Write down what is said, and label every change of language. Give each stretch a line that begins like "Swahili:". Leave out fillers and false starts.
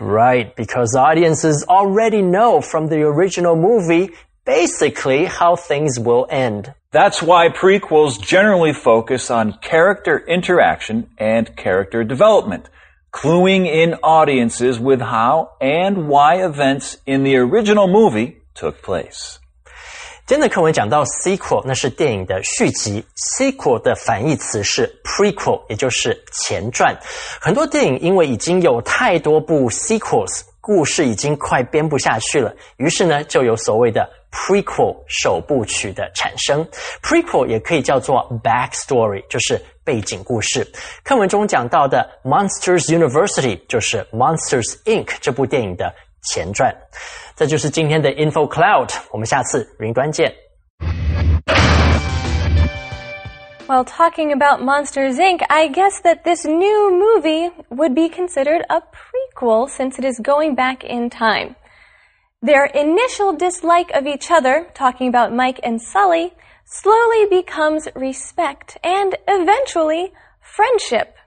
English: Right, because audiences already know from the original movie basically how things will end. That's why prequels generally focus on character interaction and character development, cluing in audiences with how and why events in the original movie took place.
Chinese: 今天的课文讲到 sequel， 那是电影的续集。sequel 的反义词是 prequel， 也就是前传。很多电影因为已经有太多部 sequels， 故事已经快编不下去了，于是呢就有所谓的 prequel 首部曲的产生。prequel 也可以叫做 backstory， 就是背景故事。课文中讲到的 Monsters University 就是 Monsters Inc. 这部电影的前传。这就是今天的 Info Cloud， 我们下次云端见。
English: While talking about Monsters, Inc., I guess that this new movie would be considered a prequel since it is going back in time. Their initial dislike of each other, talking about Mike and Sully, slowly becomes respect and eventually friendship.